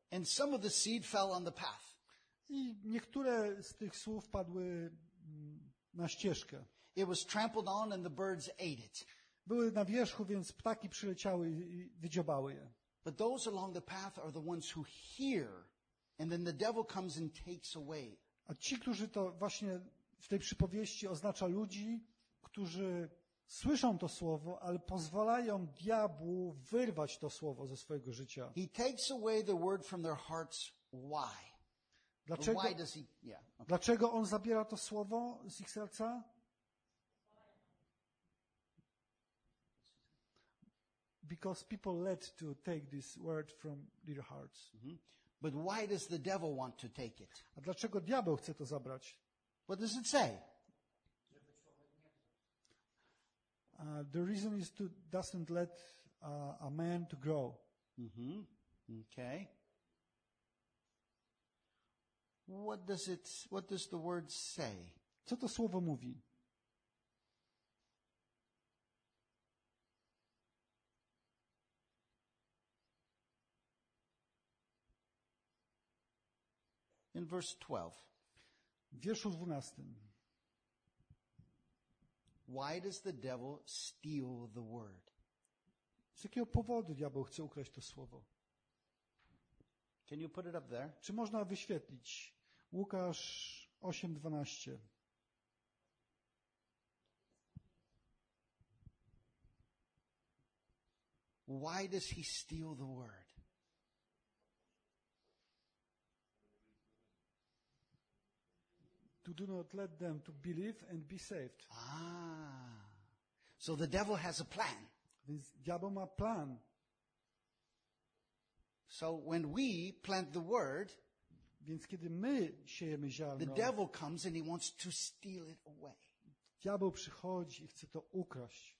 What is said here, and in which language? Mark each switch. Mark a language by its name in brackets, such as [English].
[English] And some of the seed fell on the path. [Polish] I niektóre z tych słów padły na ścieżkę. [English] It was trampled on and the birds ate it. [Polish] Były na wierzchu, więc ptaki przyleciały i wydziobały je. [English] But those along the path are the ones who hear, and then the devil comes and takes away. [Polish] A ci, którzy to właśnie w tej przypowieści oznacza ludzi, którzy słyszą to słowo, ale pozwalają diabłu wyrwać to słowo ze swojego życia. [English] He takes away the word from their hearts. Why? [Polish] Dlaczego? [English] Why does he? Yeah. Okay. [Polish] Dlaczego on zabiera to słowo z ich serca? [English] Because people let to take this word from their hearts. Mm-hmm. But why does the devil want to take it? [Polish] A dlaczego diabeł chce to zabrać? [English] What does it say? The reason is to doesn't let a man to grow. Mm-hmm. Okay. What does the word say? [Polish] Co to słowo mówi? [English] In verse 12. [Polish] W wierszu 12. [English] Why does the devil steal the word? [Polish] Z jakiego powodu diabeł chce ukraść to słowo? [English] Can you put it up there? [Polish] Czy można wyświetlić Łukasz 8:12? [English] Why does he steal the word? To do not let them to believe and be saved. Ah. So the devil has a plan. [Polish] Więc diabeł ma plan. [English] So when we plant the word, [Polish] więc kiedy my siejemy ziarno, [English] the devil comes and he wants to steal it away. [Polish] Diabeł przychodzi i chce to ukraść.